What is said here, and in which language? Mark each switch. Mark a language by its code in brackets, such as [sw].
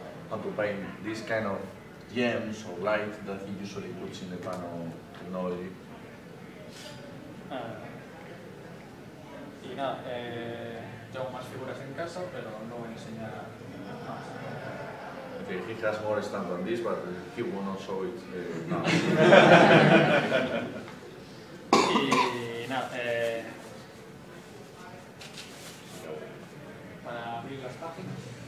[en] How to paint this kind of gems or light that he usually puts in the pano technology. [es] Y nada, tengo más figuras en casa, pero no voy a enseñar más. [en] Okay, he has more stamp than this, but he will not show it now. [es] Y nada, para abrir las páginas.